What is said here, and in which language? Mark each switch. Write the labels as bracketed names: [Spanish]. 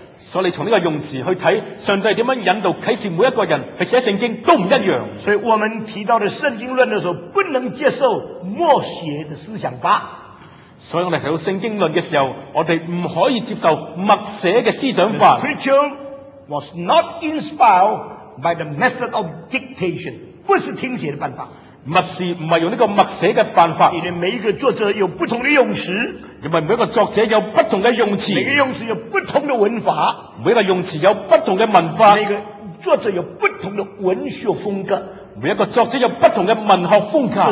[Chinese] 所以你从这个用词去看，上帝怎样引导启示每一个人去写圣经都不一样。所以我们提到的圣经论的时候，不能接受默写的思想吧。所以我们提到圣经论的时候，我们不可以接受默写的思想法。 [English] The preacher was not inspired by the method of dictation， [Chinese] 不是听写的办法。默示不是用这个默写的办法，因为每一个作者有不同的用词，因为每一个作者有不同的用词，每个用词有不同的文法，每一个用词有不同的文化，每个作者有不同的文学风格，每一个作者有不同的文学风格，